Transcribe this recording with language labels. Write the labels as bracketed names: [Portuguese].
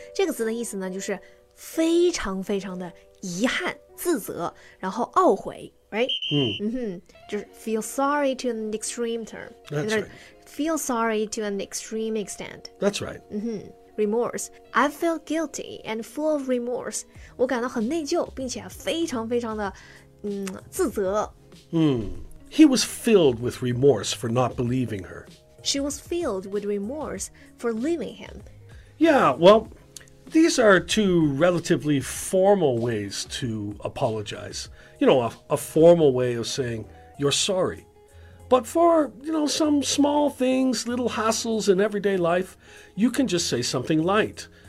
[Chinese] 这个词的意思呢，就是非常非常的遗憾、自责，然后懊悔 ，right? [English] 就是 feel sorry to an extreme term. That's right. Feel sorry to an extreme extent. That's right. Remorse. I feel guilty and full of remorse. [Chinese] 我感到很内疚，并且非常非常的，自责。 [English] He was filled with remorse for not believing her. She was filled with remorse for leaving him. Yeah, well, these are two relatively formal ways to apologize. You know, a formal way of saying you're sorry. But for, you know, some small things, little hassles in everyday life, you can just say something light.